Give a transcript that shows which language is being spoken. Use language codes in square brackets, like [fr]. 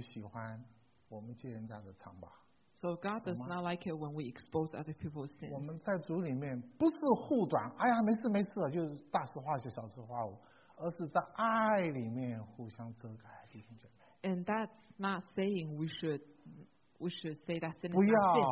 [zh] 弟兄姊妹,上帝不喜欢我们揭人家的疮疤。 [en] So God does not like it when we expose other people's sins. [zh] 我们在主里面不是护短, 哎呀,没事,没事, 就是大事化小,小事化无, 而是在爱里面互相遮盖,弟兄姊妹。 [en] And that's not saying we should say that sin is not sin.